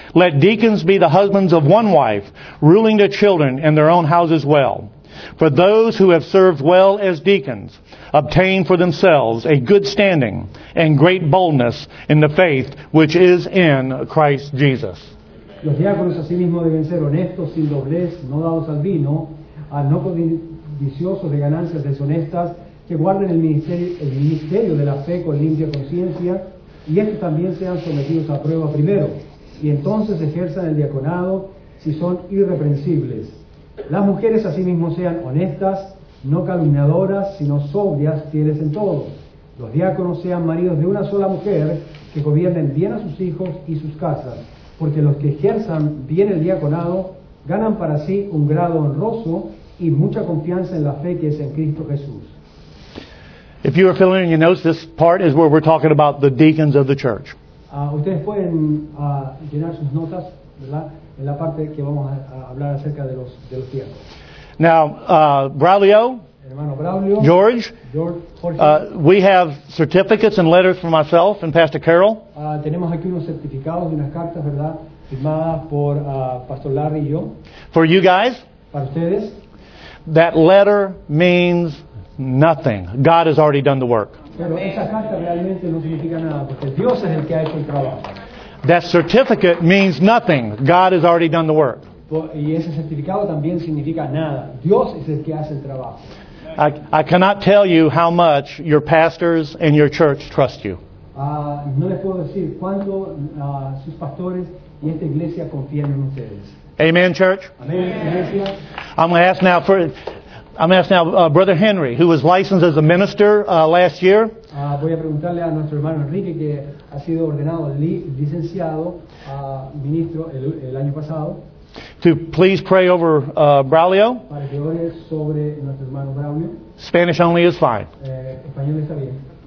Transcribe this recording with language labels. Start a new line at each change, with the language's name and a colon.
English: Let deacons be the husbands of one wife, ruling their children and their own houses well. For those who have served well as deacons obtain for themselves a good standing and great boldness in the faith which is in Christ Jesus.
Spanish: Los diáconos asimismo deben ser honestos, sin doblez, no dados al vino, no codiciosos de ganancias deshonestas, que guarden el ministerio de la fe con limpia conciencia, y estos también sean sometidos a prueba primero, y entonces ejerzan el diaconado si son irreprensibles. Las mujeres asimismo sean honestas, no calumniadoras, sino sobrias, fieles en todo. Los diáconos sean maridos de una sola mujer, que gobiernen bien a sus hijos y sus casas, porque los que ejerzan bien el diaconado ganan para sí un grado honroso y mucha confianza en la fe que es en Cristo Jesús.
English: If you are filling in your notes, this part is where we're talking about the deacons of the church.
Spanish: Ustedes pueden llenar sus notas, ¿verdad? En la parte que vamos a hablar acerca de los tiempos.
English: Now, Braulio,
Spanish: hermano Braulio,
English: George,
Spanish: Jorge,
English: we have certificates and letters from myself and Pastor Carol.
Spanish: Tenemos aquí unos certificados y unas cartas, ¿verdad? Firmadas por Pastor Larry y yo.
English: For you guys.
Spanish: Para ustedes.
English: That letter means nothing. God has already done the work.
Spanish: Pero esa carta realmente no significa nada, porque Dios es el que ha hecho el trabajo.
English: That certificate means nothing. God has already done the work.
Spanish: Y ese certificado también significa nada. Dios es el que hace el trabajo.
English: I cannot tell you how much your pastors and your church trust you.
Spanish: No les puedo decir cuándo sus pastores y esta iglesia confían en ustedes.
English: Amen, church. Amen. I'm going to ask now Brother Henry, who was licensed as a minister last year.
Spanish: Voy a preguntarle a nuestro hermano Enrique, que ha sido ordenado licenciado ministro el año pasado.
English: To please pray over Braulio.
Spanish: Para que ore sobre nuestro hermano Braulio.
English: Spanish only is fine.
Spanish: Español está bien.